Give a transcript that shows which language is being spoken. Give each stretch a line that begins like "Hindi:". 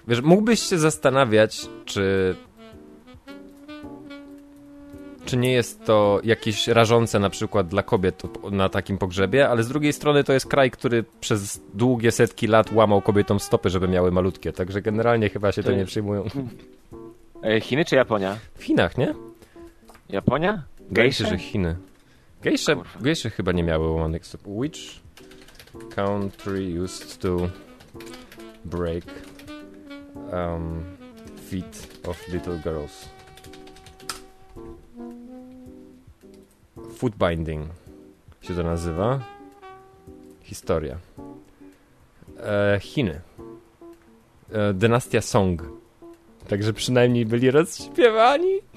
Polish: Wiesz, mógłbyś się zastanawiać, czy nie jest to jakieś rażące na przykład dla kobiet na takim pogrzebie, ale z drugiej strony to jest kraj, który przez długie setki lat łamał kobietom stopy, żeby miały malutkie. Także generalnie chyba się to nie przyjmują. Chiny czy Japonia? W Chinach, nie? Japonia? Gejsze, że Chiny. Gejsze chyba nie miały łamanych stóp.
English: Which country used to break feet of little girls?
Polish: Foot binding się to nazywa. Historia. Chiny. Dynastia Song. Także przynajmniej byli rozśpiewani.